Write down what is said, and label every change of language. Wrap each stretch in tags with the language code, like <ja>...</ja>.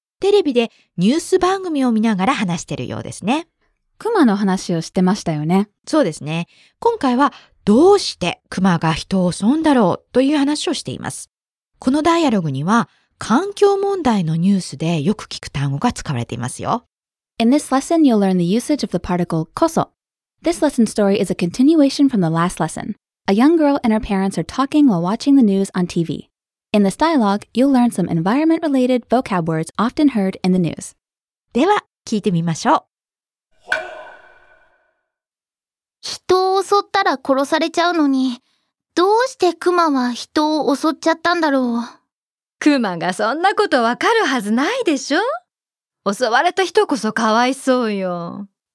<ja>テレビでニュース番組を見ながら話してるようですね。クマの話をしてましたよね。そうですね。今回はどうしてクマが人を襲うんだろうという話をしています。このダイアログには環境問題のニュースでよく聞く単語が使われていますよ。</ja> <en>In this lesson, you'll learn the usage of the particle こそ。 This lesson story is a continuation from the last lesson. A young girl and her parents are talking while watching the news on TV. In this dialogue, you'll learn some environment-related vocab words often heard in the news.</en> <ja>では聞いてみましょう。人を襲ったら殺されちゃうのに、どうしてクマは人を襲っちゃったんだろう。クマがそんなことわかるはずないでしょ。襲われた人こそかわいそうよ。</ja>